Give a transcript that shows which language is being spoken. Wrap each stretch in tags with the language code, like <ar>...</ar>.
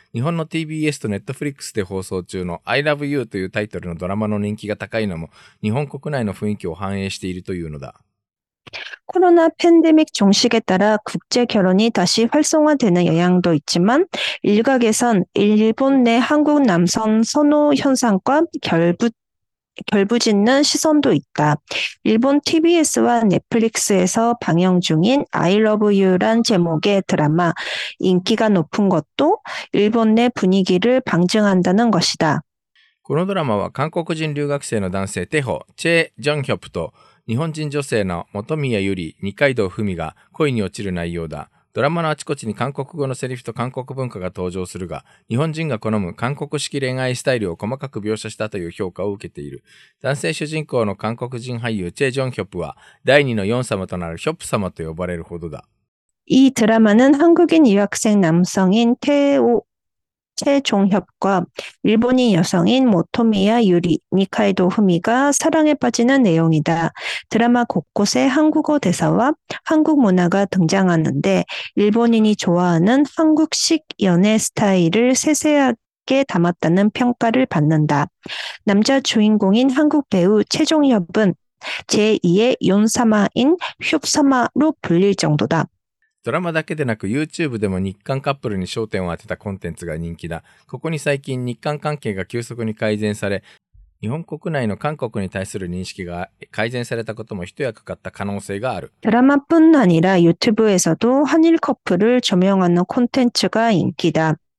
<ja>日本の TBS と Netflix で放送中の I Love You というタイトルのドラマの人気が高いのも日本国内の雰囲気を反映しているというのだ。コロナパンデミック</ja> <ko>종식에따라국제결혼이다시활성화되는영향도있지만일각에선일본내한국남성선호현상과결부짓는시선도있다。 일본 TBS 와 Netflix 에서방영중인 I Love You 란제목의드라마인기가높은것도일본내분위기를방증한다는것이다。</ko> <ja>このドラマは韓国人留学生の男性テホ・チェ・ジョンヒョプと日本人女性の本宮ゆり、二階堂ふみが恋に落ちる内容だ。ドラマのあちこちに韓国語のセリフと韓国文化が登場するが、日本人が好む韓国式恋愛スタイルを細かく描写したという評価を受けている。男性主人公の韓国人俳優チェ・ジョンヒョプは、第二のヨン様となるヒョプ様と呼ばれるほどだ。</ja> <ko>이 드라마는 한국인 유학생 남성인 최종협과 일본인 여성인 모토미야 유리, 니카이도 후미가 사랑에 빠지는 내용이다. 드라마 곳곳에 한국어 대사와 한국 문화가 등장하는데 일본인이 좋아하는 한국식 연애 스타일을 세세하게담았다는 평가를 받는다. 남자 주인공인 한국 배우 최종협은 제2의 연사마인 협사마로 불릴 정도다.</ko> <ja>ドラマだけでなく YouTube でも日韓カップルに焦点を当てたコンテンツが人気だ。ここに最近日韓関係が急速に改善され、日本国内の韓国に対する認識が改善されたことも一役買った可能性がある。</ja> <ko>ドラマ뿐아니라 YouTube 에서도 한일 커플을 조명하는</ko> <ja>コンテンツが人気だ。</ja>